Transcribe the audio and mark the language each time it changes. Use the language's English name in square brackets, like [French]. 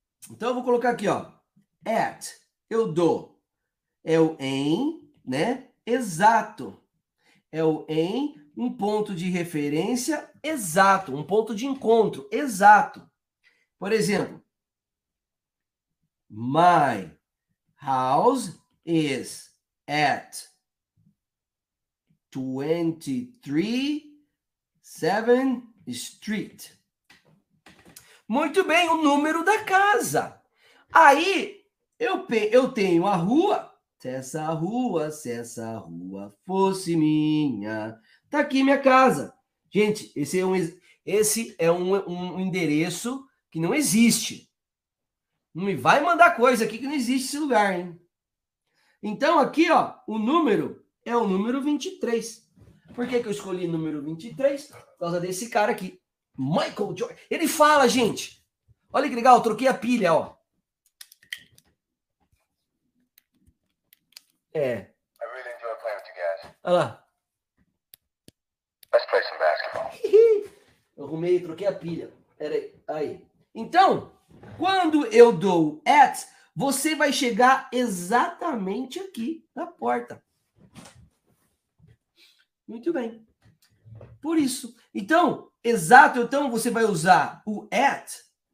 [Portuguese] Então eu vou colocar aqui, ó. At, eu dou. É o em, né? Exato. É o em, um ponto de referência exato, um ponto de encontro exato. [English] Por exemplo, my house is at 23 7th Street. [Portuguese] Muito bem, o número da casa. Aí eu tenho a rua. Se essa rua fosse minha, tá aqui minha casa. Gente, esse é um endereço que não existe. Não me vai mandar coisa aqui que não existe esse lugar, hein? Então, aqui, ó, o número é o número 23. Por que que eu escolhi o número 23? Por causa desse cara aqui. Michael Jordan. Ele fala, gente. Olha que legal, eu troquei a pilha, ó. É. [English] I really enjoy playing with you guys. [Portuguese] Olha lá. [English] Let's play some basketball. [Portuguese] Eu arrumei, troquei a pilha. Era aí. Então, quando eu dou at, você vai chegar exatamente aqui na porta. Muito bem. Por isso. Então, exato, então você vai usar o at.